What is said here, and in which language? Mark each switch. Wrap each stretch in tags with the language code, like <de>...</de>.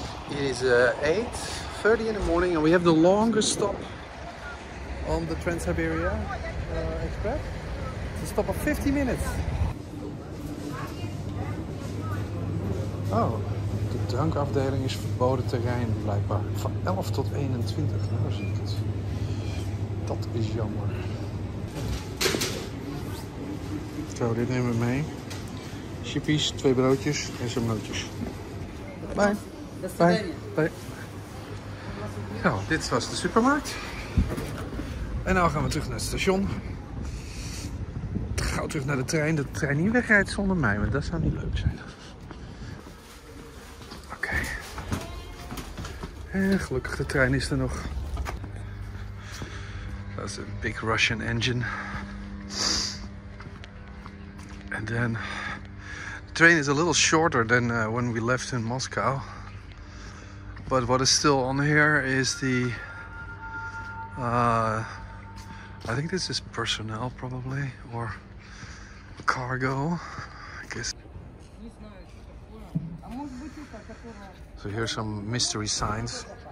<en>It is 8:30 in the morning and we have the longest stop on the Trans-Siberia Express. It's a stop of 50 minutes. Oh.</en> <nl>De drankafdeling is verboden terrein blijkbaar. Van 11 tot 21, nou zie ik het. Dat is jammer. Zo, dit nemen we mee. Chippies, twee broodjes en zijn broodjes.</nl> <en>Bye. Bye.</en> <nl>Bye. Nou, dit was de supermarkt. En nu gaan we terug naar het station. Gauw terug naar de trein. De trein niet wegrijdt zonder mij, want dat zou niet leuk zijn. En gelukkig, de trein is er nog. Dat is een</nl> <en>big Russian engine.</en> <nl>En dan... De trein is een beetje</nl> <en>shorter</en> <nl>dan toen we</nl> <en>left</en> <nl>in Moskou. Maar wat is</nl> <en>still on here is the... I think this is personnel probably. Or cargo, I guess. So here's some mystery signs.</en>